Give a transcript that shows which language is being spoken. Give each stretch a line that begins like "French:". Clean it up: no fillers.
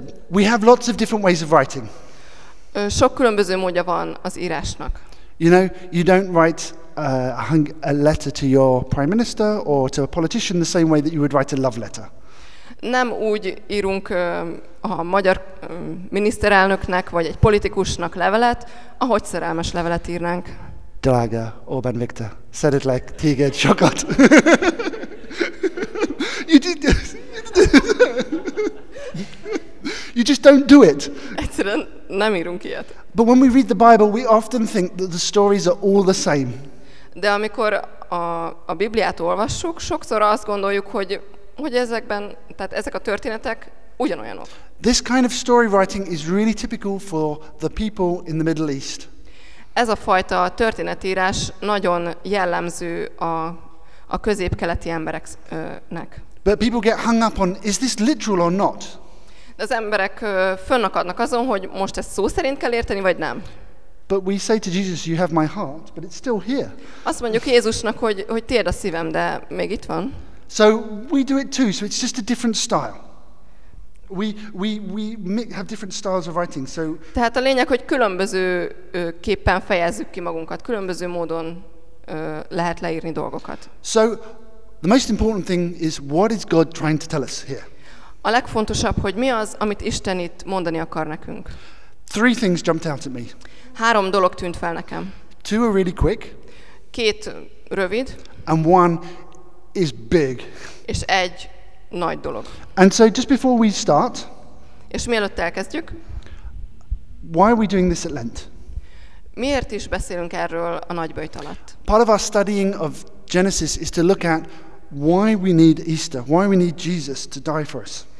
English: We have lots of different ways of writing.
Hungarian: Sok különböző módja van az írásnak.
English: You know, you don't write a letter to your prime minister or to a politician the same way that you would write a love letter.
Hungarian: Nem úgy írunk a magyar miniszterelnöknek vagy egy politikusnak levelet, ahogy szerelmes levelet írnánk. Drága Orbán Viktor, szeretlek téged sokat.
English: You just don't do it.
Hungarian: Egyszerűen nem írunk ilyet.
English: But when we read the Bible, we often think that the stories are all the same.
Hungarian: De amikor a Bibliát olvassuk, sokszor azt gondoljuk, hogy ezekben, tehát ezek a történetek ugyanolyanok.
English: This kind of story writing is really typical for the people in the Middle East.
Hungarian: Ez a fajta történetírás nagyon jellemző a közép-keleti embereknek.
English: But people get hung up on, is this literal or not?
Hungarian: Az emberek fönnakadnak azon, hogy most ezt szó szerint kell érteni, vagy nem.
English: But we say to Jesus, you have my heart, but it's still here.
Hungarian: Azt mondjuk Jézusnak, hogy tiéd a szívem, de még itt van.
English: So we do it too, so it's just a different style. We have different styles of writing, so...
Hungarian: Tehát a lényeg, hogy különböző képpen fejezzük ki magunkat, különböző módon lehet leírni dolgokat.
English: So the most important thing is, what is God trying to tell us here?
Hungarian: A legfontosabb, hogy mi az, amit Isten itt mondani akar nekünk.
English: Three things jumped out at me.
Hungarian: Három dolog tűnt fel nekem.
English: Two are really quick.
Hungarian: Két rövid.
English: And one is big.
Hungarian: És egy nagy dolog.
English: And so just before we start.
Hungarian: És mielőtt elkezdjük.
English: Why are we doing this at Lent?
Hungarian: Miért is beszélünk erről a nagyböjt alatt?
English: Part of our studying of Genesis is to look at why we need Easter, why we need Jesus to die for us.